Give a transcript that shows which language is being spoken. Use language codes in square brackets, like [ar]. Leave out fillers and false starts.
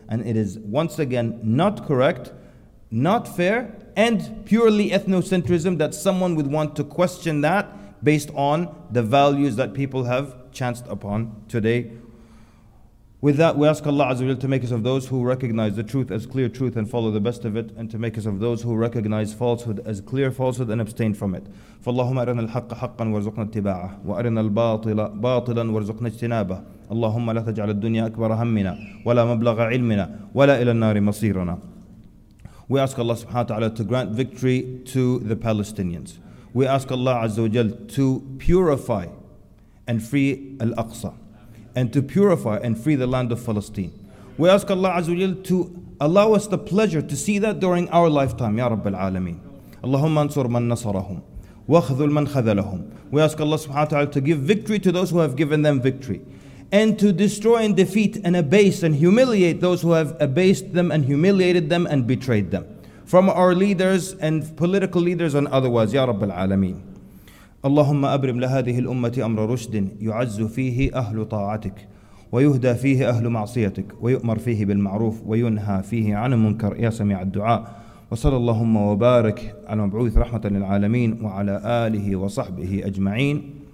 [en] And it is once again not correct, not fair, and purely ethnocentrism that someone would want to question that based on the values that people have chanced upon today. With that, we ask Allah Azza wa Jalla to make us of those who recognize the truth as clear truth and follow the best of it, and to make us of those who recognize falsehood as clear falsehood and abstain from it. [ar] فَاللَّهُمَّ أَرِنَا الْحَقَّ حَقًّا وَارْزُقْنَا اتِّبَاعَهُ وَأَرِنَا الْبَاطِلَ بَاطِلًا وَارْزُقْنَا اجْتِنَابَهُ اللهم لا تجعل الدنيا أكبر همنا ولا مبلغ علمنا ولا إلى النار مصيرنا. [en] We ask Allah subhanahu wa ta'ala to grant victory to the Palestinians. We ask Allah Azza wa Jal to purify and free Al-Aqsa, and to purify and free the land of Palestine. We ask Allah Azza wa Jal to allow us the pleasure to see that during our lifetime, Ya Rabbil Alameen. [ar] اللهم انصر من نصرهم واخذل من خذلهم. [en] We ask Allah subhanahu wa ta'ala to give victory to those who have given them victory, and to destroy and defeat and abase and humiliate those who have abased them and humiliated them and betrayed them. From our leaders and political leaders and otherwise, Ya Rabbil Alameen. [ar] اللهم أبرم لهذه الأمة أمر رشد يعز فيه أهل طاعتك ويهدى فيه أهل معصيتك ويؤمر فيه بالمعروف وينهى فيه عن المنكر يا سميع الدعاء. وصلى اللهم وبارك على مبعوث رحمة للعالمين وعلى آله وصحبه أجمعين.